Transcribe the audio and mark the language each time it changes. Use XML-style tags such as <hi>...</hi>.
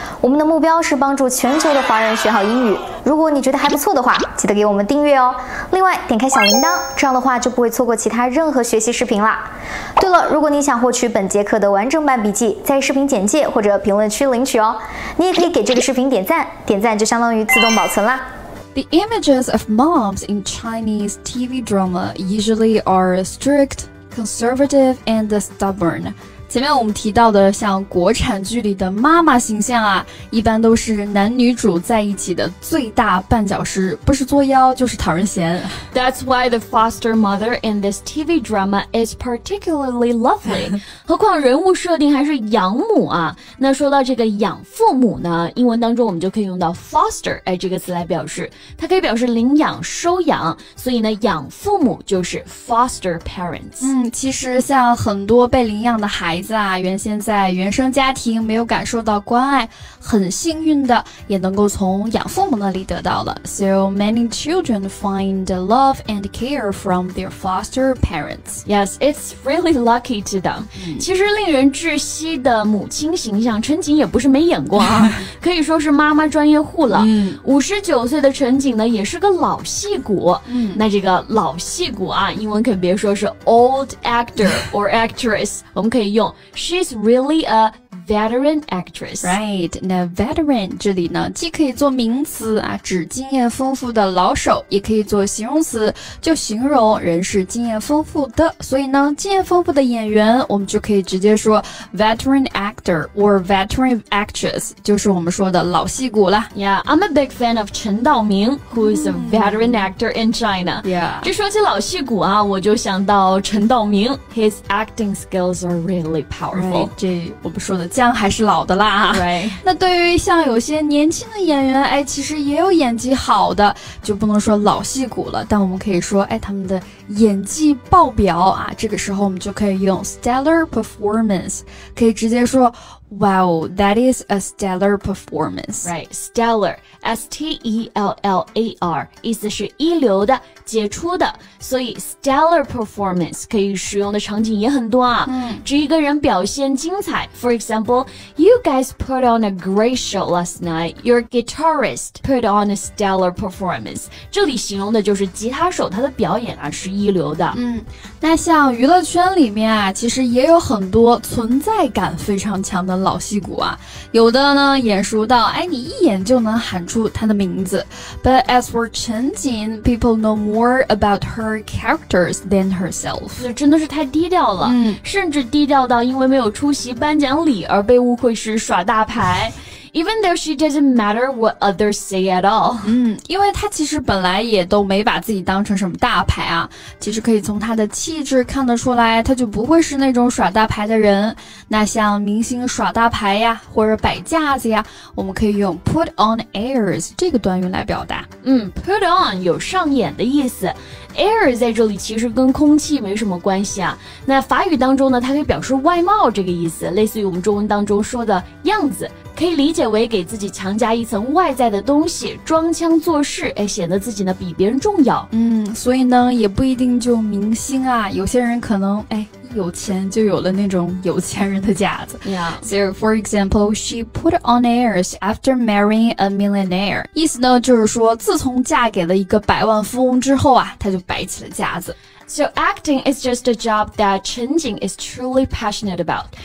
<zh>我们的目标是帮助全球的华人学好英语。如果你觉得还不错的话，记得给我们订阅哦。另外点开小铃铛，这样的话就不会错过其他任何学习视频了。对了，如果你想获取本节课的完整版笔记，在视频简介或者评论区领取哦。你也可以给这个视频点赞，点赞就相当于自动保存啦。</zh> <en>The images of moms in Chinese TV drama usually are strict, conservative, and stubborn.</en> <zh>前面我们提到的像国产剧里的妈妈形象啊，一般都是男女主在一起的最大绊脚石，不是作妖就是讨人嫌。</zh> <en>That's why the foster mother in this TV drama is particularly lovely.</en> <zh>何况人物设定还是养母啊。那说到这个养父母呢，英文当中我们就可以用到 foster 哎这个词来表示，它可以表示领养、收养，所以呢，养父母就是 foster parents。其实像很多被领养的孩子啊，原先在原生家庭没有感受到关爱，很幸运的也能够从养父母那里得到了。</zh> <en>So many children find love and care from their foster parents. Yes, it's really lucky to them.</en> <zh>其实令人窒息的母亲形象，陈瑾也不是没演过啊，可以说是妈妈专业户了。 59岁的陈瑾呢，也是个老戏骨。那这个老戏骨啊，英文可别说是</zh> <en>old actor or actress，</en> <zh>我们可以用</zh> <en>She's really a veteran actress.</en> <zh>Right. Now veteran 这里呢，既可以做名词啊，指经验丰富的老手，也可以做形容词，就形容人是经验丰富的。所以呢，经验丰富的演员，我们就可以直接说</zh> <en>veteran actor or veteran actress，</en> <zh>就是我们说的老戏骨了。</zh> <en>Yeah, I'm a big fan of 陈道明 who is a veteran actor in China. Yeah.</en> <zh>这说起老戏骨啊，我就想到陈道明。</zh> <en>His acting skills are really powerful.</en> <zh>Right, 这我不说的，姜还是老的辣啊。</zh> <en>Right.</en> <zh>那对于像有些年轻的演员，哎，其实也有演技好的，就不能说老戏骨了，但我们可以说，哎，他们的演技爆表啊。这个时候我们就可以用 stellar performance， 可以直接说。</zh> <en>Wow, that is a stellar performance.</en> <zh>Right, stellar, S-T-E-L-L-A-R, 意思是一流的、杰出的。所以 stellar performance 可以使用的场景也很多啊。指一个人表现精彩。</zh> <en>For example, you guys put on a great show last night. Your guitarist put on a stellar performance.</en> <zh>这里形容的就是吉他手他的表演啊是一流的。那像娱乐圈里面啊，其实也有很多存在感非常强的的老戏骨啊，有的呢眼熟到哎你一眼就能喊出她的名字。</zh> <en>But as for 陈瑾， people know more about her characters than herself.</en> <zh>真的是太低调了、嗯、甚至低调到因为没有出席颁奖礼而被误会是耍大牌。</zh> <en>Even though she doesn't matter what others say at all.</en> <zh>嗯，因为她其实本来也都没把自己当成什么大牌啊，其实可以从她的气质看得出来，她就不会是那种耍大牌的人。那像明星耍大牌呀，或者摆架子呀，我们可以用 put on airs 这个短语来表达。嗯， put on 有上演的意思。 Air 在这里其实跟空气没什么关系啊。那法语当中呢，它可以表示外貌这个意思，类似于我们中文当中说的样子，可以理解为给自己强加一层外在的东西，装腔作势，哎，显得自己呢比别人重要。嗯，所以呢，也不一定就明星啊，有些人可能哎。有钱就有了那种有钱人的架子。</zh> <en>Yeah. So, for example, she put on airs after marrying a millionaire.</en> <zh>意思呢，就是说，自从嫁给了一个百万富翁之后啊，她就摆起了架子。</zh> <en>So acting is just a job that 陈瑾 is truly passionate about.</en>